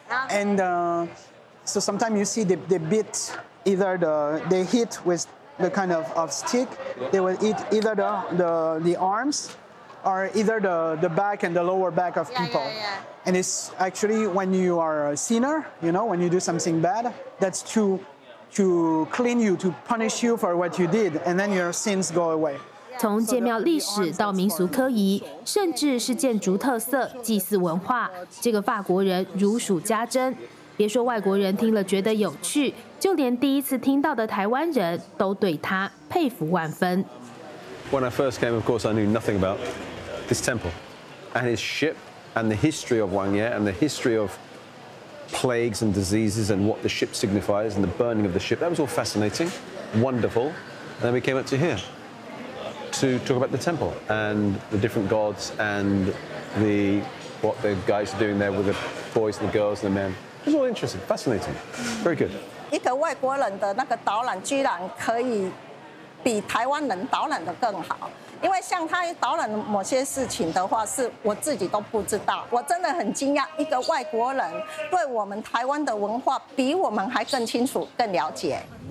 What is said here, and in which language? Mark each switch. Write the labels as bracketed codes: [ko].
[en] And so sometimes you see they beat either they hit with the kind of stick, they will hit either the arms or either the back and the lower back of people. Yeah. And it's actually when you are a sinner, you know, when you do something bad, that's to clean you, to punish you for what you did, and then your sins go away. [zh] 从建庙历史到民俗科仪，甚至是建筑特色、祭祀文化，这个法国人如数家珍。别说外国人听了觉得有趣，就连第一次听到的台湾人都对他佩服万分。 [en] When I first came, of course, I knew nothing about this temple and his ship and the history of Wang Ye and the history of plagues and diseases and what the ship signifies and the burning of the ship. That was all fascinating, wonderful. And then we came up to here. To talk about the temple and the different gods and what the guys are doing there with the boys and the girls and the men. It was all interesting, fascinating, very good. [zh] 一个外国人的那个导览居然可以比台湾人导览的更好，因为像他导览某些事情的话，是我自己都不知道。我真的很惊讶，一个外国人对我们台湾的文化比我们还更清楚、更了解。